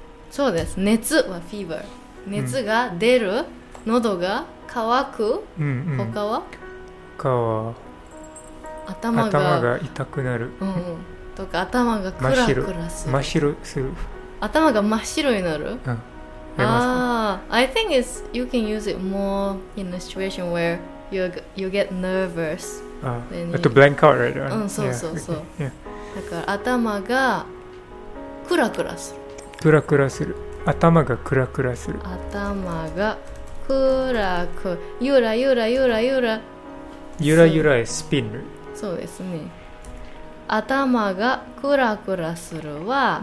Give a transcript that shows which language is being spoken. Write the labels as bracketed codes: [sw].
[ja] そうです、熱は fever、 熱が出る、うん、喉が乾く、うんうん、他は？他は頭が痛くなる、うんうん、とか頭がクラクラする、真っ白する、頭が真っ白になる、うん、 [en] ああ、I think it's you can use it more in a situation where you get nervous. あと blank out right? [ja] うん、そうそうそう、だから頭がクラクラする、クラクラする、頭がクラクラする、頭がクラク、ゆらゆらゆらゆら、ゆらゆらへスピン、そうですね、頭がクラクラするは、